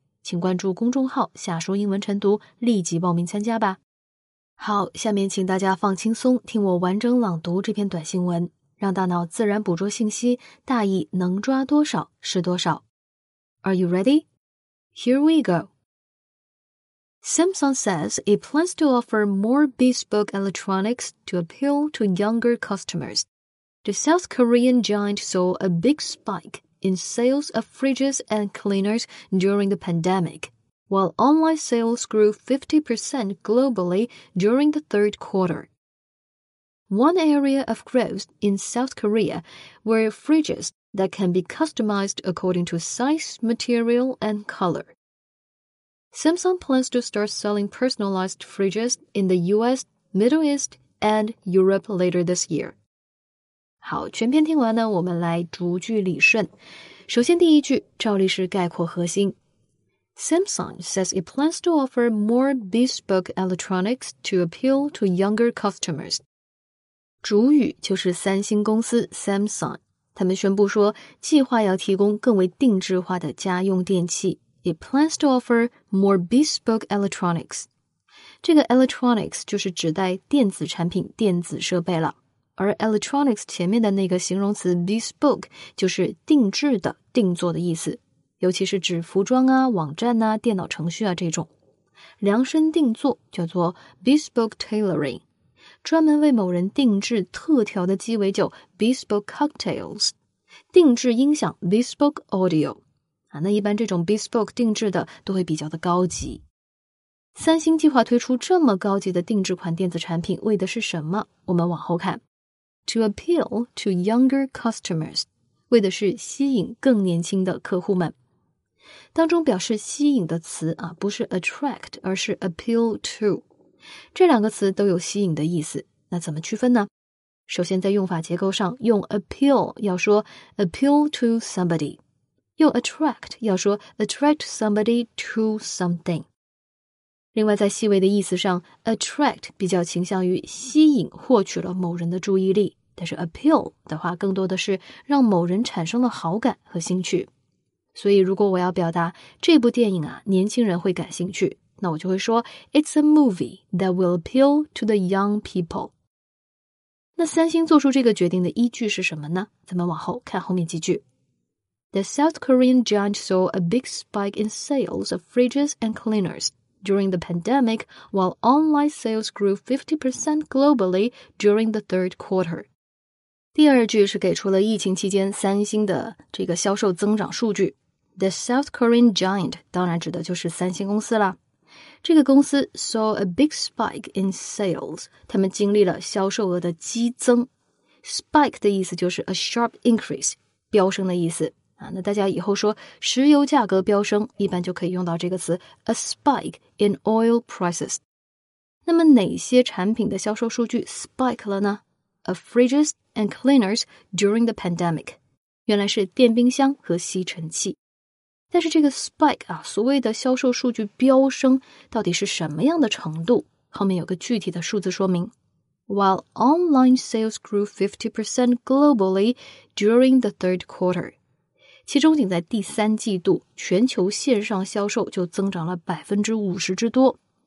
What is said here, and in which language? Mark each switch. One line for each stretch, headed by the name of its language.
Chinese: 请关注公众号夏说英文晨读，立即报名参加吧。好，下面请大家放轻松，听我完整朗读这篇短新闻，让大脑自然捕捉信息，大意能抓多少是多少。
English: Are you ready? Here we go. Samsung says it plans to offer more bespoke electronics to appeal to younger customers. The South Korean giant saw a big spike in sales of fridges and cleaners during the pandemic, while online sales grew 50% globally during the third quarter. One area of growth in South Korea were fridges,that can be customized according to size, material, and color. Samsung plans to start selling personalized fridges in the US, Middle East, and Europe later this year.
Chinese: 好，全篇听完呢，我们来逐句理顺。首先第一句，照例是概括核心。
English: Samsung says it plans to offer more bespoke electronics to appeal to younger customers.
Chinese: 主语就是三星公司 Samsung。他们宣布说计划要提供更为定制化的家用电器。
English: It plans to offer more bespoke electronics.
Chinese: 这个 electronics 就是指代电子产品、电子设备了。而 electronics 前面的那个形容词 bespoke 就是定制的、定做的意思。尤其是指服装啊、网站啊、电脑程序啊这种。量身定做叫做 bespoke tailoring。专门为某人定制特调的鸡尾酒 Bespoke Cocktails， 定制音响 Bespoke Audio、那一般这种 Bespoke 定制的都会比较的高级。三星计划推出这么高级的定制款电子产品为的是什么？我们往后看。
English: To appeal to younger customers，
Chinese: 为的是吸引更年轻的客户们。当中表示吸引的词啊，不是 attract， 而是 appeal to，这两个词都有吸引的意思，那怎么区分呢？首先在用法结构上，用 appeal 要说
English: appeal to somebody，
Chinese: 用 attract 要说
English: attract somebody to something。
Chinese: 另外在细微的意思上， attract 比较倾向于吸引获取了某人的注意力，但是 appeal 的话更多的是让某人产生了好感和兴趣。所以如果我要表达这部电影啊，年轻人会感兴趣，那我就会说
English: It's a movie that will appeal to the young people。
Chinese: 那三星做出这个决定的依据是什么呢？咱们往后看后面几句。
English: The South Korean giant saw a big spike in sales of fridges and cleaners during the pandemic, while online sales grew 50% globally during the third quarter。
Chinese: 第二句是给出了疫情期间三星的这个销售增长数据。
English: The South Korean giant
Chinese: 当然指的就是三星公司了。这个公司
English: saw a big spike in sales,
Chinese: 他们经历了销售额的激增。 Spike 的意思就是
English: a sharp increase,
Chinese: 飙升的意思。啊、那大家以后说石油价格飙升一般就可以用到这个词
English: a spike in oil prices。
Chinese: 那么哪些产品的销售数据 spike 了呢 ?
English: A fridges and cleaners during the pandemic.
Chinese: 原来是电冰箱和吸尘器。但是这个 spike 啊所谓的销售数据飙升到底是什么样的程度后面有个具体的数字说明。
English: While online sales grew 50% globally during the third quarter,
Chinese: 其中仅在第三季度全球线上销售就增长了 50% 之多。